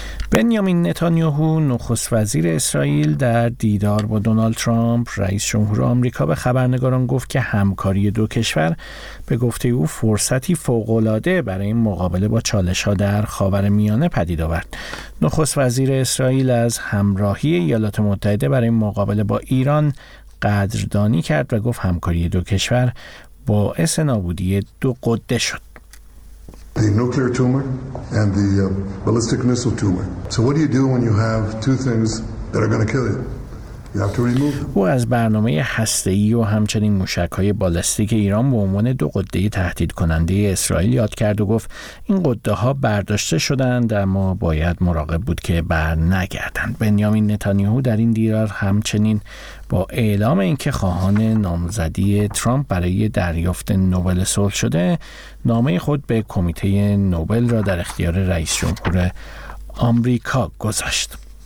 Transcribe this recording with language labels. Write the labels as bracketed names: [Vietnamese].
[Persian] بنیامین نتانیاهو نخست وزیر اسرائیل در دیدار با دونالد ترامپ رئیس جمهور آمریکا به خبرنگاران گفت که همکاری دو کشور به گفته او فرصتی فوق‌العاده برای مقابله با چالش‌ها در خاورمیانه پدید آورد. نخست وزیر اسرائیل از همراهی ایالات متحده برای مقابله با ایران قدردانی کرد و گفت همکاری دو کشور باعث نابودی دو قده شد. [English] The nuclear tumor and the ballistic missile tumor. So what do you do when you have two things that are going to kill you? You have to remove them. [Persian] او از برنامه هسته‌ای و همچنین موشک‌های بالستیک ایران به عنوان دو قده تهدیدکننده اسرائیل یاد کرد و گفت این قده‌ها برداشته شدند اما باید مراقب بود که بر نگردند. بنیامین نتانیاهو در این دیدار همچنین با اعلام اینکه خواهان نامزدی ترامپ برای دریافت نوبل صلح شده، نامه خود به کمیته نوبل را در اختیار رئیس جمهور آمریکا گذاشت.